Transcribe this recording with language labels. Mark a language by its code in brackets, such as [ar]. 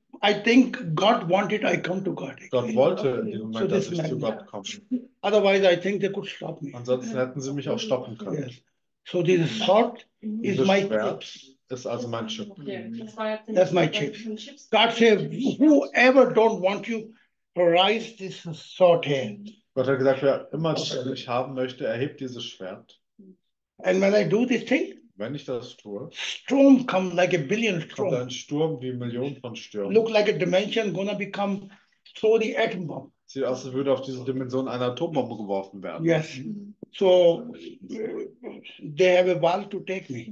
[en] I think God wanted I come to God. [de] Gott wollte in diesem Moment, dass ich zu Gott komme. [en] Otherwise, I think they could stop me. [de] Ansonsten hätten sie mich auch stoppen können. [en] Yes. So this sword is my [de] chips. Ist also mein Chip. [en] That's my chips. God says, whoever don't want you, rise this sword here. [de] Gott hat gesagt, wer immer dich nicht haben möchte, erhebt dieses Schwert. [en] And when I do this thing, [de] wenn ich das tue, [en] storm come like a billion storm. [de] Kommt ein Sturm wie Millionen von Stürmen. [en] Look like a dimension gonna become throw the atom bomb. [de] Sieht aus, als würde auf diese Dimension eine Atombombe geworfen werden. [en] Yes. So, they have a wall to take me.